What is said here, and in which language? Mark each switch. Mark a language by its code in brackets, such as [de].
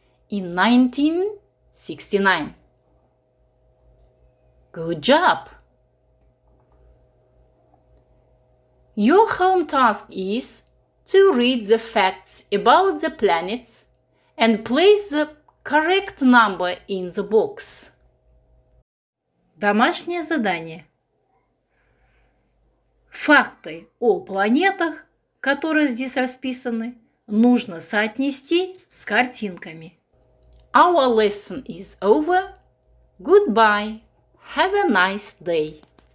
[en] In 1969. Good job! Your home task is to read the facts about the planets and place the correct number in the box. [ru] Домашнее задание. Факты о планетах, которые здесь расписаны, нужно соотнести с картинками. [en] Our lesson is over. Goodbye. Have a nice day.